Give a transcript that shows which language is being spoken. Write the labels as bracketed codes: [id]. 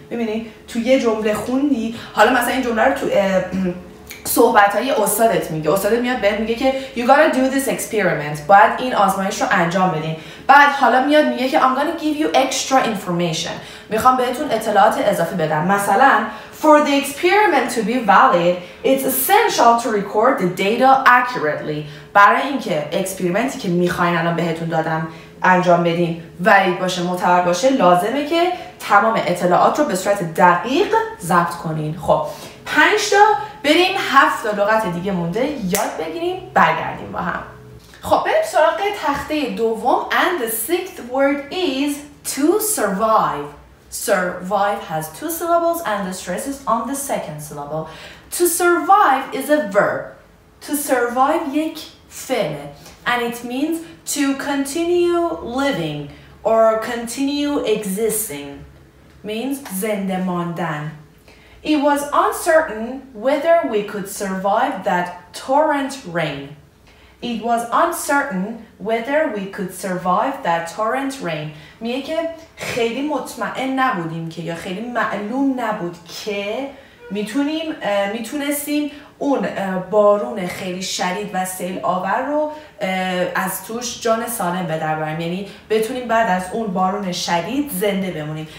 [fa] میبینی تو یه جمله خوندی، حالا مثلا این جمله رو تو صحبت‌های استادت میگه، استادت میاد بهت میگه که [en] you gotta do this experiment، [fa] باید این آزمایش رو انجام بدین، بعد حالا میاد میگه که [en] I'm gonna give you extra information، [fa] میخوام بهتون اطلاعات اضافه بدم. [en] مثلا for the experiment to be valid it's essential to record the data accurately. [fa] برای اینکه اکسپریمنتی که میخواین الان بهتون دادم انجام بدین ولید باشه، معتبر باشه، لازمه که تمام اطلاعات رو به صورت دقیق ضبط کنین. خب 5 تا بریم، 7 تا لغت دیگه مونده یاد بگیریم، برگردیم با هم. خب بریم سراغ تخته دوم. [en] And the sixth word is to survive. Survive has two syllables and the stress is on the second syllable. To survive is a verb. To survive [fa] یک فعل. [en] And it means to continue living or continue existing. Means [fa] زنده ماندن. [en] It was uncertain whether we could survive that torrent rain. It was uncertain whether we could survive that torrent rain. [fa] میگه که خیلی مطمئن نبودیم که یا خیلی معلوم نبود که میتونستیم اون بارون خیلی شدید و سیل آور رو از توش جان سالم بدر برم، یعنی بتونیم بعد از اون بارون شدید زنده بمونیم.